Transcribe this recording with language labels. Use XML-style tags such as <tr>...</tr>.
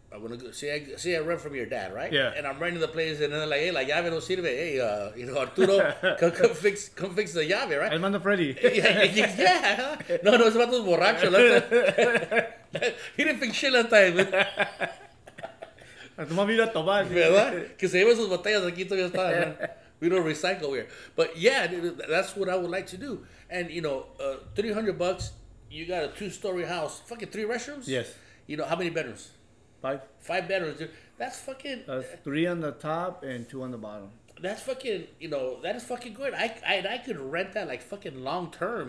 <en>I want to go, I rent from your dad, right? Yeah. And I'm renting the place, and they're like, hey,</en> <es>la llave no sirve.</es> <en>Hey, you know, Arturo, come fix the llave, right?</en> <es>El Mando Freddy.</es> <en>Yeah. No, it's about those borrachos. He didn't fix shit last time.</en> <es>A tu mami iba a tomar. ¿Verdad? Que se lleven sus botellas aquí todavía están, man.</es> <en>We don't recycle here. But yeah, that's what I would like to do. And, you know, $300, you got a 2-story house. Fucking 3 restrooms? Yes. You know, how many bedrooms? 5. 5 bedrooms. That's fucking... That's 3 on the top and 2 on the bottom. That's fucking, you know, that is fucking good. I could rent that like fucking long term.</en>